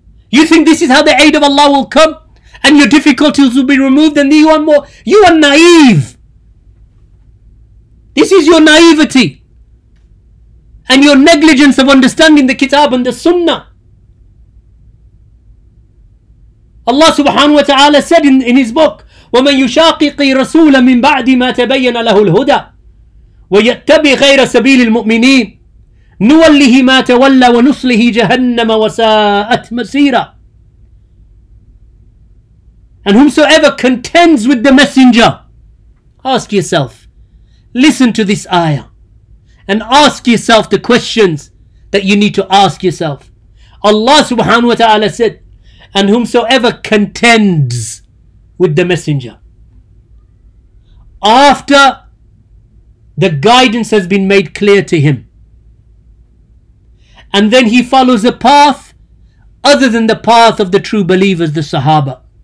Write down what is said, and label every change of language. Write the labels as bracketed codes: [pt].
[en] You think this is how the aid of Allah will come and your difficulties will be removed? And you are more, you are naive. This is your naivety and your negligence of understanding the kitab and the sunnah. Allah subhanahu wa ta'ala said in his book, [ar] وَمَنْ يُشَاقِقِ رَسُولَ مِنْ بَعْدِ مَا تَبَيَّنَ لَهُ الْهُدَى وَيَتَّبِ غَيْرَ سَبِيلِ الْمُؤْمِنِينَ نُوَلِّهِ مَا تَوَلَّى وَنُصْلِهِ جَهَنَّمَ وَسَاءَتْ مَسِيرًا. [en] And whomsoever contends with the messenger, ask yourself, listen to this ayah and ask yourself the questions that you need to ask yourself. Allah subhanahu wa ta'ala said, and whomsoever contends with the messenger after the guidance has been made clear to him, and then he follows a path other than the path of the true believers, the Sahaba,